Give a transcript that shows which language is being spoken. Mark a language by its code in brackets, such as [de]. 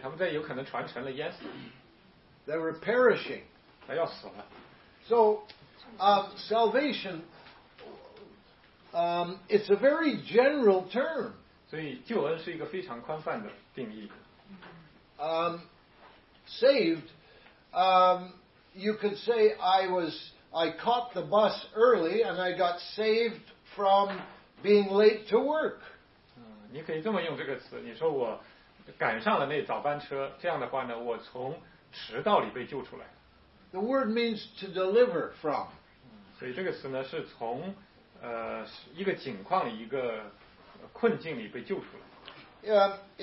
[zh] 他们在有可能船沉了淹死。 [en] They were perishing. [zh] 他要死了。 [en] So, salvation, it's a very general term. [zh] 所以救恩是一个非常宽泛的定义。 [en] Saved, you could say I caught the bus early and I got saved from being late to work. [zh] 你可以这么用这个词，你说我赶上了那早班车，这样的话呢，我从迟到里被救出来。 [en] The word means to deliver from. [zh] 所以这个词呢是从一个境况一个困境里被救出来。